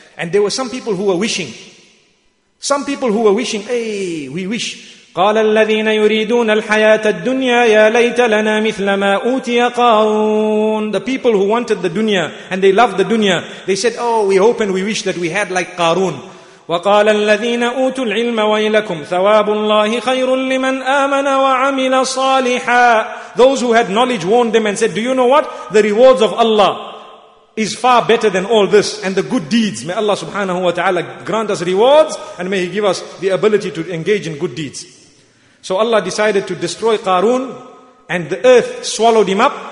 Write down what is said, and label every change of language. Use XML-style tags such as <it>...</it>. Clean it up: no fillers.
<en>And there were some people who were wishing. Some people who were wishing. Hey, we wish.</en> <ar>قَالَ الَّذِينَ يُرِيدُونَ الْحَيَاةَ الدُّنْيَا يَا لَيْتَ لَنَا مِثْلَ مَا أُوتِيَ قَارُونَ</ar> <en>The people who wanted the dunya and they loved the dunya, they said, oh, we hope and we wish that we had like Qarun.</en> <ar>وقال الذين أوتوا العلم ويلكم ثواب الله خير لمن آمن وعمل صالحا</ar> <en>Those who had knowledge warned them and said, do you know what? The rewards of Allah is far better than all this and the good deeds. May Allah subhanahu wa ta'ala grant us rewards and may He give us the ability to engage in good deeds. So Allah decided to destroy Qarun and the earth swallowed him up.</en>